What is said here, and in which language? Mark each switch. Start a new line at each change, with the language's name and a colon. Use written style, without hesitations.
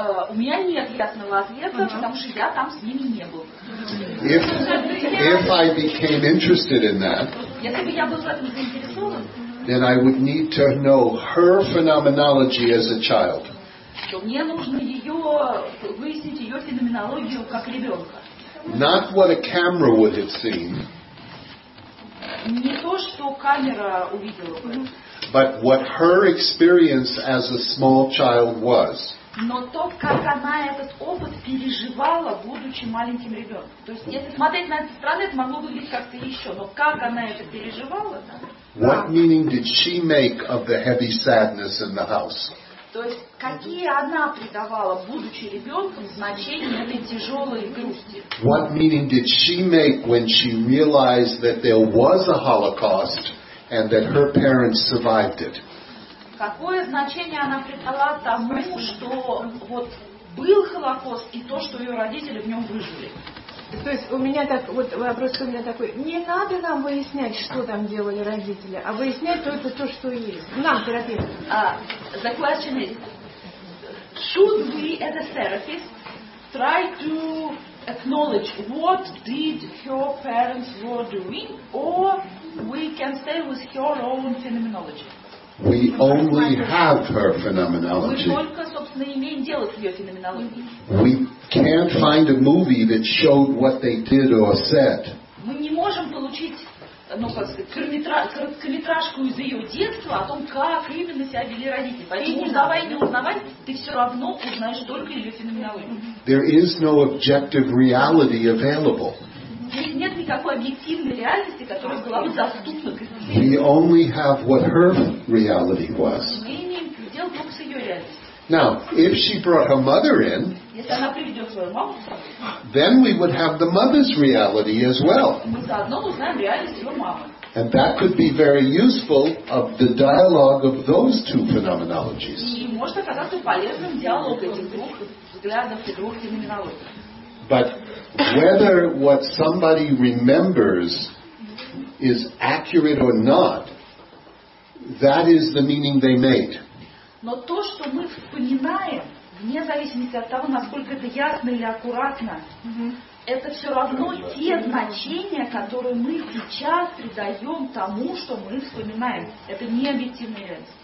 Russian: У меня нет ясного ответа, потому что я там с ними не был.
English: If I became interested in that, then I would need to know her phenomenology as a child.
Russian: То мне нужно выяснить ее феноменологию как ребенка.
English: Not what a camera would have seen.
Russian: Не то, что камера увидела.
English: But what her experience as a small child was.
Russian: Но то, как она этот опыт переживала, будучи маленьким ребенком. То есть, если смотреть на эту страну, это могло выглядеть как-то еще. Но как она это переживала, да?
English: What meaning did she make of the heavy sadness in the house?
Russian: То есть, какие она придавала, будучи ребенком, значение этой тяжелой грусти?
English: What meaning did she make when she realized that there was a Holocaust and that her parents survived it?
Russian: Какое значение она придала тому, что вот был Холокост и то, что ее родители в нем выжили? То есть у меня так, вот вопрос у меня такой, не надо нам выяснять, что там делали родители, а выяснять только то, что есть. Нам, терапевт.
English: The question is, should we as a therapist try to acknowledge what did her parents were doing, or we can stay with her own phenomenology? We only have her phenomenology.
Russian: Мы только, собственно, имеем дело с ее феноменологией.
English: We can't find a movie that showed what they did or said.
Russian: Мы не можем получить, ну как сказать, короткометражку из ее детства о том, как именно себя вели родители. Поэтому давай не узнавать, ты все равно узнаешь только ее феноменологию.
English: There is no objective reality available.
Russian: Нет никакой объективной реальности, которая была бы доступна к измерению.
English: We only have what her reality was.
Russian: Мы имеем предел только с ее реальностью.
English: Now, if she brought her mother in,
Russian: если она приведет свою маму,
English: then we would have the mother's reality as well.
Russian: Мы заодно узнаем реальность ее мамы.
English: And that could be very useful of the dialogue of those two phenomenologies.
Russian: И может оказаться полезным диалог этих двух взглядов и двух феноменологий.
English: But whether what somebody remembers is accurate or not, that is the meaning they made.
Russian: Но то, что мы вспоминаем, вне зависимости от того, насколько это ясно или аккуратно, это все равно те значения, которые мы сейчас придаем тому, что мы вспоминаем. Это не объективная реальность.